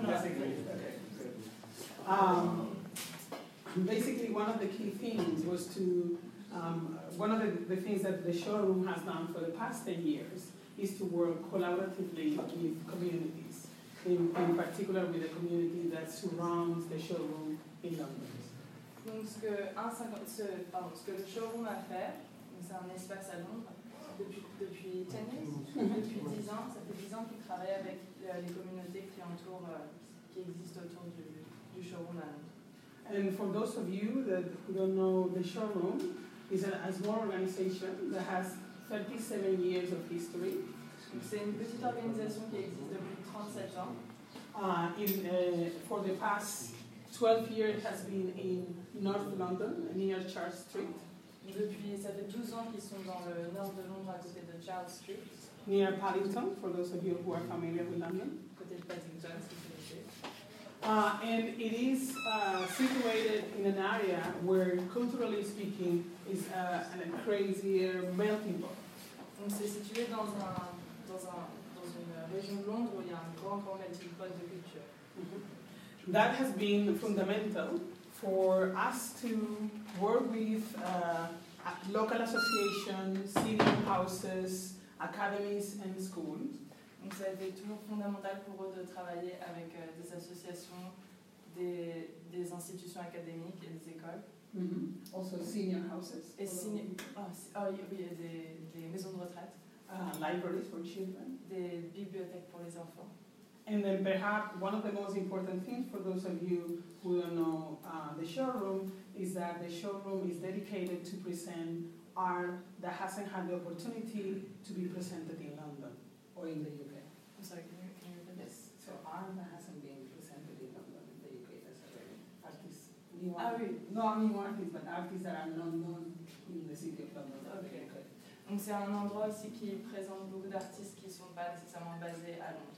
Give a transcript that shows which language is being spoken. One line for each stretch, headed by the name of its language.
English: That's okay. Basically, one of the key themes was to, one of the things that the showroom has done for the past 10 years is to work collaboratively with communities, in particular with the community that surrounds the showroom in London.
French: Donc, ce que le showroom a fait, c'est un espace à Londres depuis 10 ans, ça fait 10 ans qu'il travaille avec les communautés qui existent autour du.
English: And for those of you that don't know, the showroom is a small organization that has 37 years of history.
French: C'est une petite organisation qui existe depuis 37 ans.
English: For the past 12 years, it has been in North London, near Charles Street.
French: Depuis, ça fait 12 ans qu'ils sont dans le nord de Londres, à côté de Charles Street.
English: Near Paddington, for those of you who are familiar with London.
French: Côté de Paddington, si vous connaissez.
English: And it is situated in an area where, culturally speaking, is a crazier melting pot.
French: Donc c'est situé dans une région de Londres où il y a un grand melting pot de culture.
English: That has been fundamental for us to work with local associations, city houses, academies, and schools.
French: Donc ça a été toujours fondamental pour eux de travailler avec des associations, des institutions académiques et des écoles.
English: Mm-hmm. Also senior houses.
French: Et des maisons de retraite.
English: Libraries for children.
French: Des bibliothèques pour les enfants.
English: And then perhaps one of the most important things for those of you who don't know the showroom is that the showroom is dedicated to present art that hasn't had the opportunity to be presented in London. Or in the UK. I'm sorry, can you repeat? Yes. So art hasn't been presented in London, in the UK, that's already artists. New artists. Oui. Not new artists, but artists that are not known in the city of London. Okay.
French: Donc c'est un endroit aussi qui présente beaucoup d'artistes qui ne sont pas nécessairement basés à Londres.